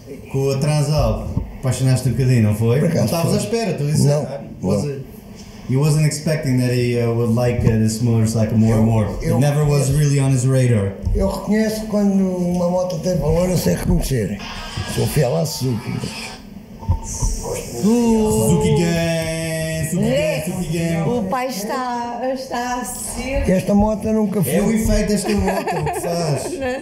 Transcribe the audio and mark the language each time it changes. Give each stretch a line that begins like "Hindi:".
Portuguese: Com a Transalp, apaixonaste um bocadinho, não foi? Não estavas à espera, tu disse. Não.
English: He wasn't expecting that he would like this motorcycle more and more. It never was really on his radar.
Portuguese: Eu reconheço quando uma moto tem valor, eu sei reconhecer. Sou fiel à Suzuki. Suzuki Gang, Suzuki Gang. O pai está a ser. Esta moto nunca foi. É o efeito desta moto, o que faz?